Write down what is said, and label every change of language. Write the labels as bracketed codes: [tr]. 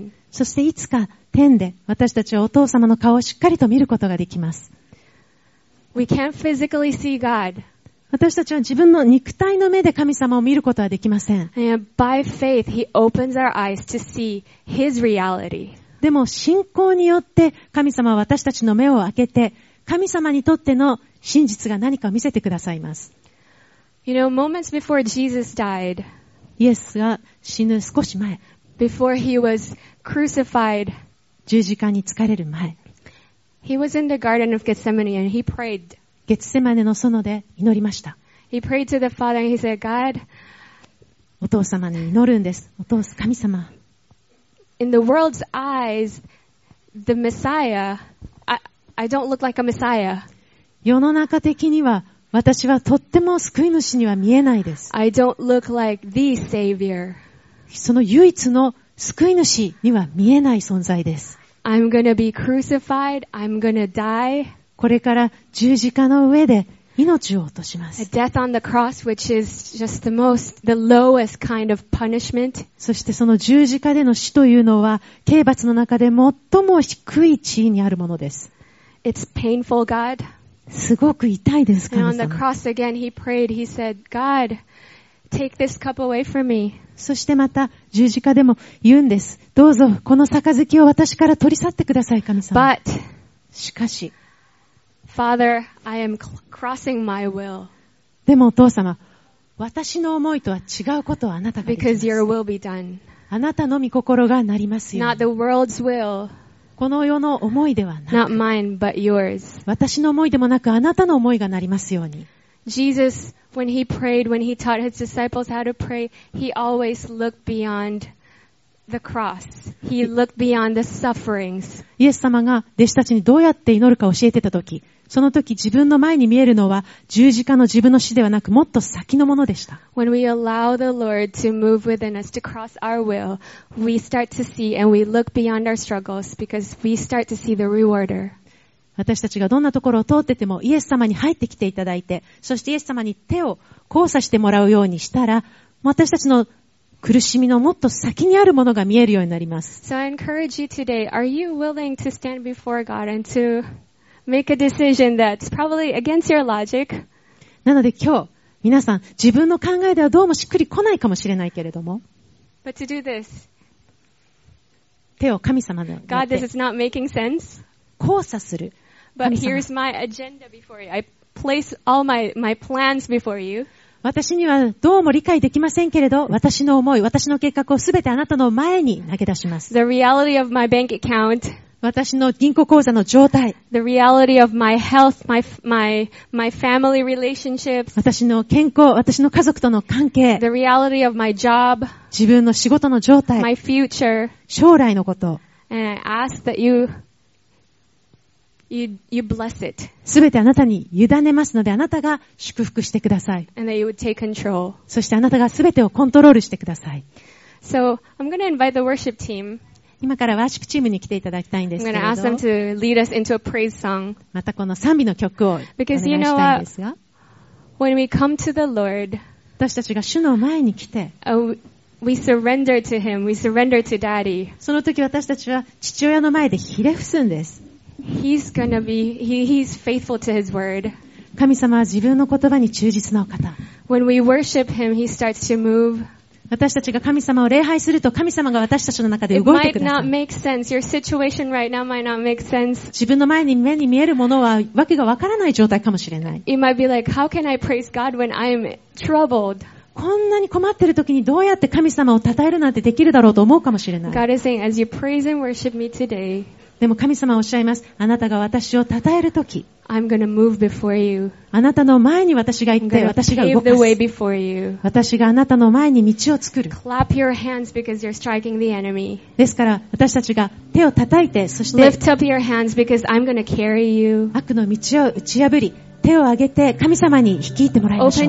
[ja] そしていつか天で私たちはお父様の顔をしっかりと見ることができます。 [en] We can't physically see God. [ja] 私たちは自分の肉体の目で神様を見ることはできません。 [en] By faith, he opens our eyes to see his reality. [ja] でも信仰によって神様は私たちの目を開けて、神様にとっての真実が何かを見せてくださいます。 [en] You know, moments before Jesus died, [ja] イエスが死ぬ少し前、 [en] before he was crucified, [ja] 十字架に疲れる前、 [en] he was in the Garden of Gethsemane and he prayed. [ja] ゲツセマネの園で祈りました。 [en] He prayed to the Father and he said, God, [ja] お父様に祈るんです。お父さん、神様。 [en] In the world's eyes, the Messiah, I don't look like a Messiah. [ja] 世の中的には私はとっても救い主には見えないです。 [en] I don't look like the Savior. [ja] その唯一の救い主には見えない存在です。 [en] I'm gonna be crucified. I'm gonna die. [ja] これから十字架の上で命を落とします。 [en] Death on the cross, which is just the most, the lowest kind of punishment. [ja] そしてその十字架での死というのは、刑罰の中で最も低い地位にあるものです。 [en] It's painful, God. [ja] すごく痛いです、神様。 [en] And on the cross again, he prayed, he said, God, take this cup away from me. [ja] そしてまた十字架でも言うんです。どうぞ、この杯を私から取り去ってください、神様。 [en] But, [ja] しかし、 [en] Father, I am crossing my will. [ja] でもお父様、私の思いとは違うことをあなたができます。 [en] Because your will be done. [ja] あなたの御心がなりますように。 [en] Not the world's will. [ja] この世の思いではなく。 [en] Not mine, but yours. [ja] 私の思いでもなく、あなたの思いがなりますように。 [en] Jesus, when he prayed, when he taught his disciples how to pray, he always looked beyond. The cross. He looked beyond the sufferings. [ja] イエス様が弟子たちにどうやって祈るか教えてた時、その時自分の前に見えるのは十字架の自分の死ではなく、もっと先のものでした。 [en] When we allow the Lord to move within us to cross our will, we start to see and we look beyond our struggles because we start to see the rewarder. [ja] 私たちがどんなところを通っててもイエス様に入ってきていただいて、そしてイエス様に手を交差してもらうようにしたら、私たちの苦しみのもっと先にあるものが見えるようになります。 [en] So I encourage you today, are you willing to stand before God and to make a decision that's probably against your logic? [ja] なので今日、皆さん、自分の考えではどうもしっくり来ないかもしれないけれども。 [en] But to do this. [ja] 手を神様の [en] God, this is not making sense. [ja] 交差する。 [en] But here's my agenda before you. I place all my plans before you. [ja] 私にはどうも理解できませんけれど、私の思い、私の計画をすべてあなたの前に投げ出します。 [en] The reality of my bank account, [ja] 私の銀行口座の状態、 [en] The reality of my health, my family relationships, [ja] 私の健康、私の家族との関係、 [en] The reality of my job, [ja] 自分の仕事の状態、 [en] my future, [ja] 将来のこと、 [en] And I ask that you bless it. [ja] すべてあなたに委ねますので、あなたが祝福してください。 [en] And that you would take control. [ja] そしてあなたがすべてをコントロールしてください。 [en] So, I'm gonna invite the worship team. [ja] 今からワーシップチームに来ていただきたいんですけれど。 [en] I'm gonna ask them to lead us into a praise song. [ja] またこの賛美の曲をお願いしたいんですが。 [en] Because you know what? When we come to the Lord, [ja] 私たちが主の前に来て、 [en] We surrender to Him. We surrender to Daddy. [ja] その時私たちは父親の前でひれ伏すんです。 [en] He's gonna be, he's faithful to his word. [ja] 神様は自分の言葉に忠実なお方。 [en] When we worship him, he starts to move. [ja] 私たちが神様を礼拝すると、神様が私たちの中で動いてください。 [en] It might not make sense. Your situation right now might not make sense. [ja] 自分の前に目に見えるものは、わけがわからない状態かもしれない。 [en] It might be like, how can I praise God when I'm troubled? [ja] こんなに困ってる時にどうやって神様を讃えるなんてできるだろうと思うかもしれない。 [en] God is saying, as you praise and worship me today, [ja] でも神様はおっしゃいます。あなたが私を称えるとき、 [en] I'm gonna move before you. [ja] あなたの前に私が行って、私が動かす。 [en] I'm gonna pave the way before you. [ja] 私があなたの前に道を作る。 [en] Clap your hands because you're striking the enemy. [ja] ですから私たちが手を叩いて、そして [en] Lift up your hands because I'm gonna carry you. [ja] 悪の道を打ち破り、手を上げて神様に引き入ってもらいましょう。